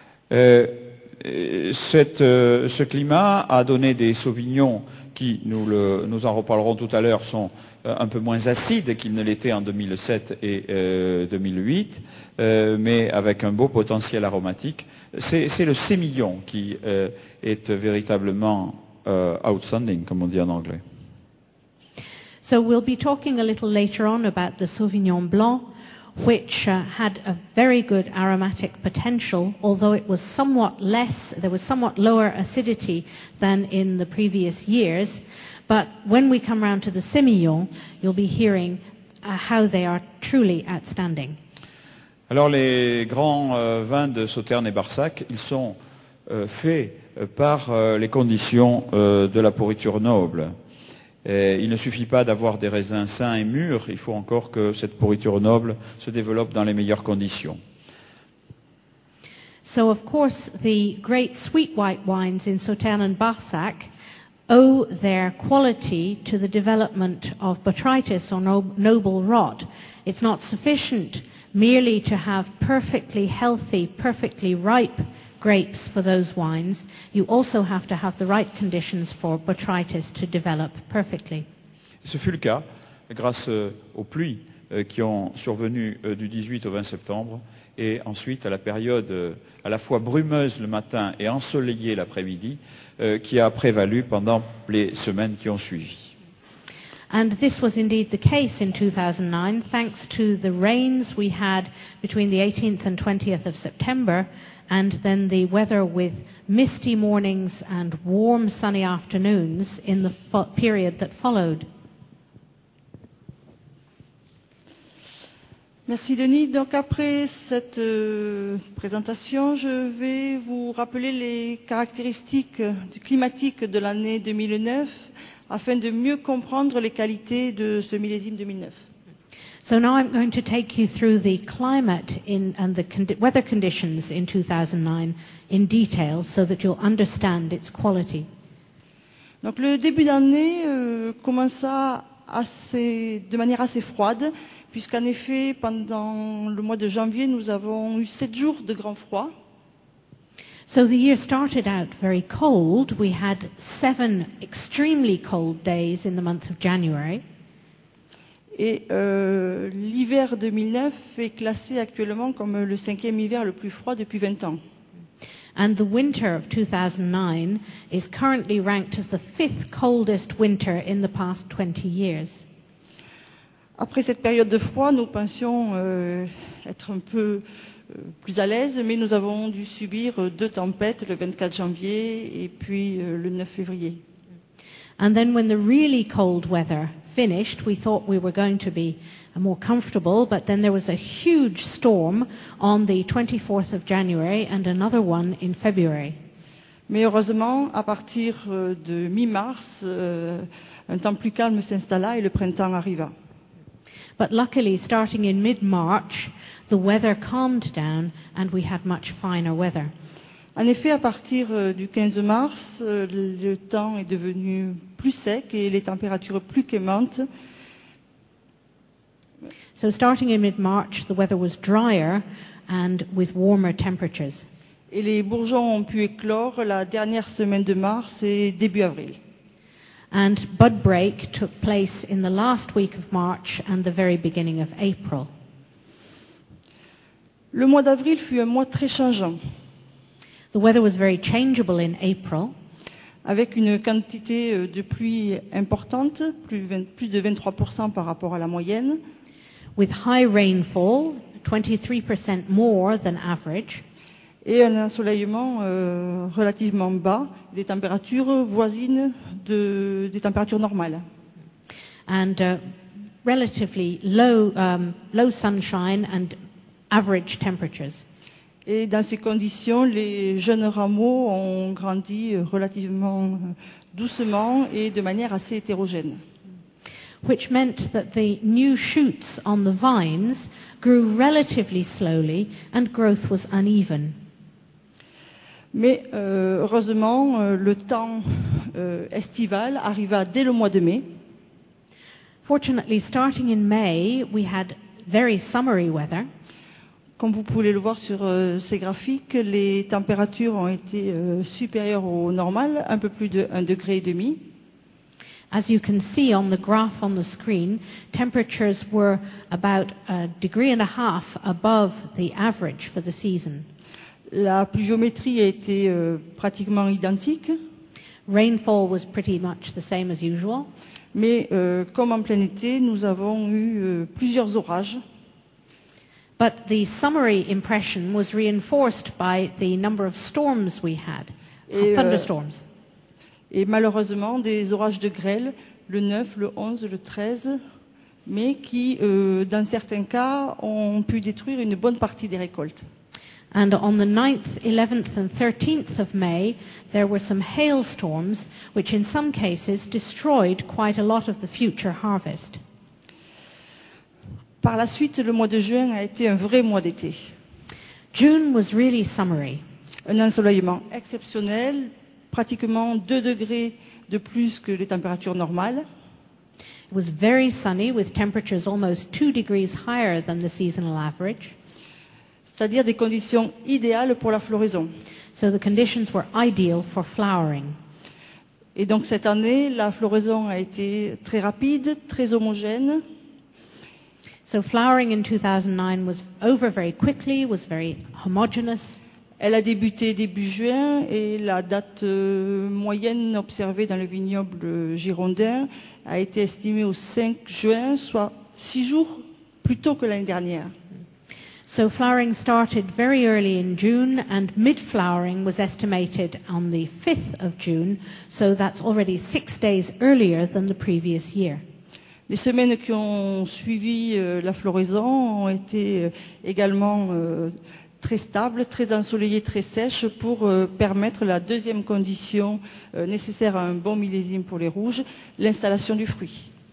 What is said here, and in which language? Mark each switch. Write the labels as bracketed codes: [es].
[fr] Ce climat a donné des Sauvignons qui, nous en reparlerons tout à l'heure, sont un peu moins acides qu'ils ne l'étaient en 2007 et 2008, mais avec un beau potentiel aromatique. C'est le sémillon qui est véritablement outstanding, comme on dit en anglais. [en] So we'll be talking a little later on about the Sauvignon Blanc, which had a very good aromatic potential, although it was somewhat less, there was somewhat lower acidity than in the previous years. But when we come around to the Sémillon, you'll be hearing how they are truly outstanding. [fr] Alors les grands vins de Sauternes et Barsac, ils sont faits par les conditions de la pourriture noble. Et il ne suffit pas d'avoir des raisins sains et mûrs, il faut encore que cette pourriture noble se développe dans les meilleures conditions. [en] So of course the great sweet white wines in Sauternes and Barsac owe their quality to the development of botrytis or noble rot. It's not sufficient merely to have perfectly healthy, perfectly ripe grapes for those wines, you also have to have the right conditions for botrytis to develop perfectly. [fr] Ce fut le cas grâce aux pluies qui ont survenu du 18 au 20 septembre et ensuite à la période à la fois brumeuse le matin et ensoleillée l'après-midi qui a prévalu pendant les semaines qui ont suivi. [en] And this was indeed the case in 2009, thanks to the rains we had between the 18th and 20th of September, and then the weather with misty mornings and warm sunny afternoons in the period that followed. [fr] Merci Denis. Donc après cette présentation, je vais vous rappeler les caractéristiques climatiques de l'année 2009 afin de mieux comprendre les qualités de ce millésime 2009. [en] So now I'm going to take you through the climate and the weather conditions in 2009 in detail so that you'll understand its quality. [fr] Donc le début d'année commença de manière assez froide, puisqu'en effet, pendant le mois de janvier, nous avons eu 7 jours de grand froid. [en] So the year started out very cold. We had 7 extremely cold days in the month of January. [fr] Et l'hiver 2009 est classé actuellement comme le cinquième hiver le plus froid depuis 20 ans. [en] And the winter of 2009 is currently ranked as the fifth coldest winter in the past 20 years. [fr] Après cette période de froid, nous pensions être un peu plus à l'aise, mais nous avons dû subir 2 tempêtes le 24 janvier et puis le 9 février. [en] And then when the really cold weather finished, we thought we were going to be more comfortable, but then there was a huge storm on the 24th of January and another one in February. [fr] Mais heureusement, à partir de mi-mars, un temps plus calme s'installa et le printemps arriva. [en] But luckily, starting in mid-March, the weather calmed down and we had much finer weather. [fr] En effet, à partir du 15 mars, le temps est devenu plus sec et les températures plus clémentes. [en] So starting in mid-March, the weather was drier and with warmer temperatures. [fr] Et les bourgeons ont pu éclore la dernière semaine de mars et début avril. [en] And bud break took place in the last week of March and the very beginning of April. [fr] Le mois d'avril fut un mois très changeant. [en] The weather was very changeable in April. [fr] Avec une quantité de pluie importante, plus de 23% par rapport à la moyenne. [en] With high rainfall, 23% more than average. [fr] Et un ensoleillement relativement bas, des températures voisines des températures normales. [en] And relatively low sunshine and average temperatures. [fr] Et dans ces conditions, les jeunes rameaux ont grandi relativement doucement et de manière assez hétérogène. [en] Which meant that the new shoots on the vines grew relatively slowly and growth was uneven. [fr] Mais heureusement, le temps estival arriva dès le mois de mai. [en] Fortunately, starting in May, we had very summery weather. [fr] Comme vous pouvez le voir sur ces graphiques, les températures ont été supérieures au normal, un peu plus de 1,5 degré. [en] As you can see on the graph on the screen, temperatures were about 1.5 degrees above the average for the season. [fr] La pluviométrie a été pratiquement identique. [en] Rainfall was pretty much the same as usual. [fr] Mais comme en plein été, nous avons eu plusieurs orages. [en] But the summary impression was reinforced by the number of storms we had, thunderstorms. [fr] Et malheureusement, des orages de grêle, le 9, le 11, le 13, mais qui, dans certains cas, ont pu détruire une bonne partie des récoltes. [en] And on the 9th, 11th and 13th of May, there were some hailstorms, which in some cases destroyed quite a lot of the future harvest. [fr] Par la suite, le mois de juin a été un vrai mois d'été. [en] June was really summery. [fr] Un ensoleillement exceptionnel, pratiquement 2 degrés de plus que les températures normales. [en] It was very sunny, with temperatures almost 2 degrees higher than the seasonal average. [fr] C'est-à-dire des conditions idéales pour la floraison. [en] So the conditions were ideal for flowering. [fr] Et donc cette année, la floraison a été très rapide, très homogène. [en] So flowering in 2009 was over very quickly, was very homogeneous. [fr] Elle a débuté début juin et la date moyenne observée dans le vignoble girondin a été estimée au 5 juin, soit 6 jours plus tôt que l'année dernière. [en] So flowering started very early in June and mid-flowering was estimated on the 5th of June, so that's already 6 days earlier than the previous year. [fr] Les semaines qui ont suivi la floraison ont été également très stables, très ensoleillées, très sèches pour permettre la deuxième condition nécessaire à un bon millésime pour les rouges, l'installation du fruit.